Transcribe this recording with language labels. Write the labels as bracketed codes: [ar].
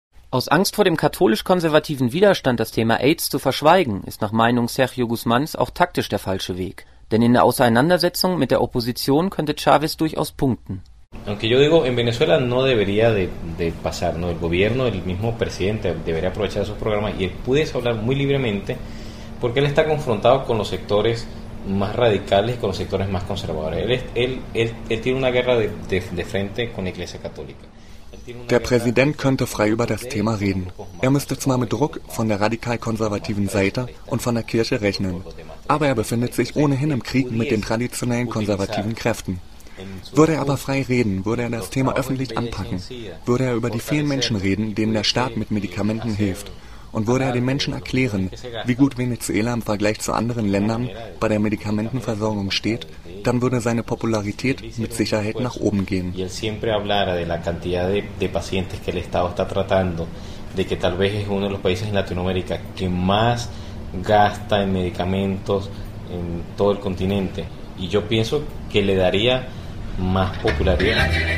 [de] Aus Angst vor dem katholisch-konservativen Widerstand, das Thema AIDS zu verschweigen, ist nach Meinung Sergio Guzmans auch taktisch der falsche Weg. Denn in der Auseinandersetzung mit der Opposition könnte Chávez durchaus punkten. [es] Aunque yo digo, en Venezuela no debería de pasar, ¿no? El gobierno, el mismo presidente, debería aprovechar esos programas. Y él pudiese hablar muy libremente, porque él está confrontado con los sectores más radicales y con los sectores más conservadores. Él tiene una guerra de frente con la Iglesia Católica. [de] Der Präsident könnte frei über das Thema reden. Er müsste zwar mit Druck von der radikal-konservativen Seite und von der Kirche rechnen, aber er befindet sich ohnehin im Krieg mit den traditionellen konservativen Kräften. Würde er aber frei reden, würde er das Thema öffentlich anpacken, würde er über die vielen Menschen reden, denen der Staat mit Medikamenten hilft, und würde er den Menschen erklären, wie gut Venezuela im Vergleich zu anderen Ländern bei der Medikamentenversorgung steht, dann würde seine Popularität mit Sicherheit nach oben gehen. [es] Y él siempre hablara de la cantidad de pacientes que el Estado está tratando, de que tal vez es uno de los países en Latinoamérica que más gasta en medicamentos en todo el continente. Y yo pienso que le daría más popularidad.